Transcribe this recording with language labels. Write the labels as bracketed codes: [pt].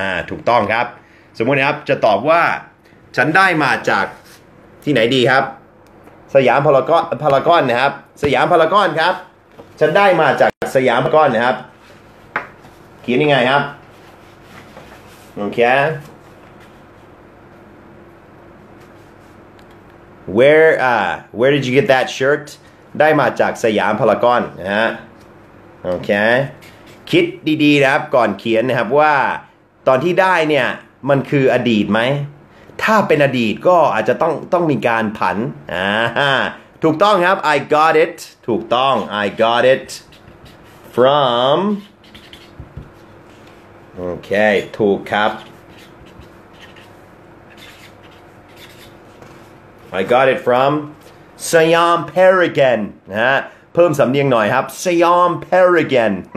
[th] ถูกต้องครับสมมุติครับจะตอบว่าฉันได้มาจากที่ไหนดีครับสยามพารากอนนะครับสยามพารากอนครับฉันได้มาจากสยามพารากอนนะครับเขียนยังไงครับOkay. [en] Where did you get that shirt? [th] ได้มาจากสยามพารากอนนะฮะ Okay. คิดดีๆนะครับก่อนเขียนนะครับว่าตอนที่ได้เนี่ยมันคืออดีตไหมถ้าเป็นอดีตก็อาจจะต้องมีการผันถูกต้องครับ [en] I got it. [th] ถูกต้อง [en] I got it from... [th] โอเคถูกครับ [en] I got it from [th] สยามพารากอนนะฮะเพิ่มสำเนียงหน่อยครับสยามพารากอน